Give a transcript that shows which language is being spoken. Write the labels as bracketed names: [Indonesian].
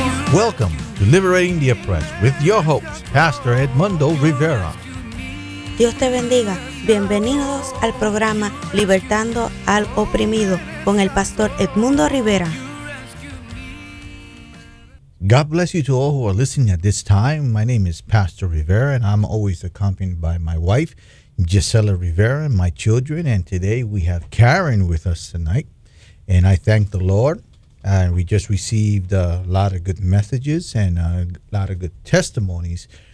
[English] Welcome to Liberating the Oppressed with your host, Pastor Edmundo Rivera. [Spanish] Dios te bendiga. Bienvenidos al programa Libertando al Oprimido con el Pastor Edmundo Rivera. [English] God bless you to all who are listening at this time. My name is Pastor Rivera and I'm always accompanied by my wife, Gisela Rivera, and my children. And today we have Karen with us tonight. And I thank the Lord. And we just received a lot of good messages and a lot of good testimonies.